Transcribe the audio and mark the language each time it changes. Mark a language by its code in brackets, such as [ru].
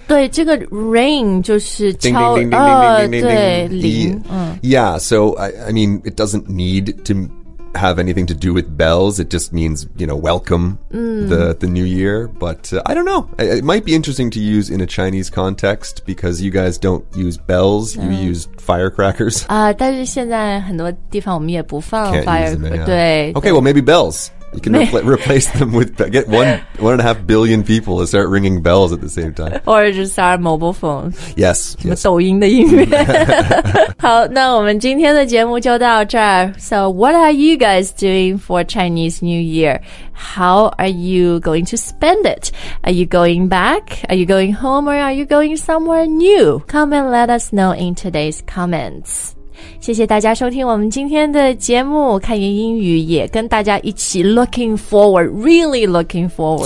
[zh] 对,这个 ring 就是敲,对,铃。 [en] Yeah, so, I mean, it doesn't need to... have anything to do with bells. It just means, you know, welcome the new year. But I don't know. It might be interesting to use in a Chinese context because you guys don't use bells. You use firecrackers. [zh] 但是现在很多地方我们也不放 [en] firecrackers. Okay, well, maybe bells. You can replace them with... Get 1.5 billion people to start ringing bells at the same time. Or just our mobile phones. Yes. [zh] 什么抖音的音乐。好,那我们今天的节目就到这儿。 [en] So what are you guys doing for Chinese New Year? How are you going to spend it? Are you going back? Are you going home? Or are you going somewhere new? Come and let us know in today's comments. [zh] 谢谢大家收听我们今天的节目看言英语也跟大家一起 [en] looking forward, really looking forward